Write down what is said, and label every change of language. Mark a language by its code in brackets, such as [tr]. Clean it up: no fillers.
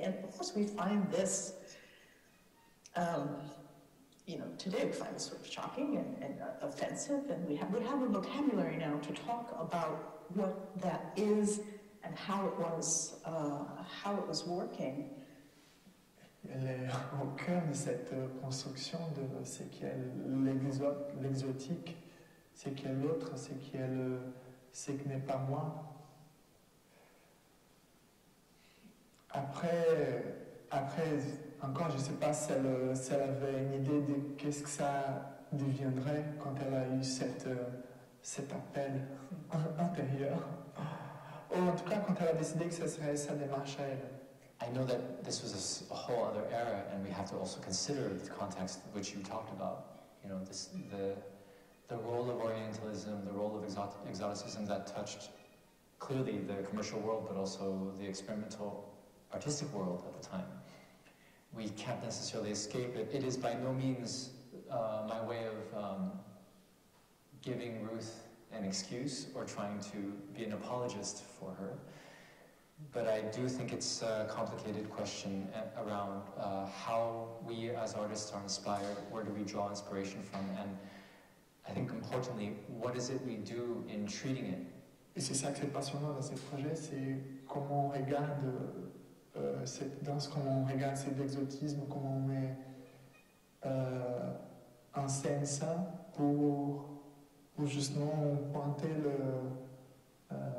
[en] And of course we find this, today we find this sort of shocking and offensive, and we have a vocabulary now to talk about what that is and how it was working. [fr] Au cœur de cette construction, de ce qui est l'exotique, ce qui est l'autre, ce qui est le, ce qui n'est pas moi. Après, encore, je ne sais pas si elle avait une idée de qu'est-ce que ça deviendrait quand elle a eu cet appel intérieur. Ou en tout cas, quand elle a décidé que ce serait sa démarche à elle. [en] I know that this was a whole other era, and we have to also consider the context which you talked about. You know, the role of Orientalism, the role of exoticism that touched clearly the commercial world, but also the experimental artistic world at the time. We can't necessarily escape it. It is by no means my way of giving Ruth an excuse or trying to be an apologist for her. But I do think it's a complicated question around how we as artists are inspired, where do we draw inspiration from, and I think importantly, what is it we do in treating it? [fr] Et c'est ça que c'est passionnant dans ce projet, c'est comment on regarde cette danse, comment on regarde cet exotisme, comment on met en scène ça pour justement pointer le.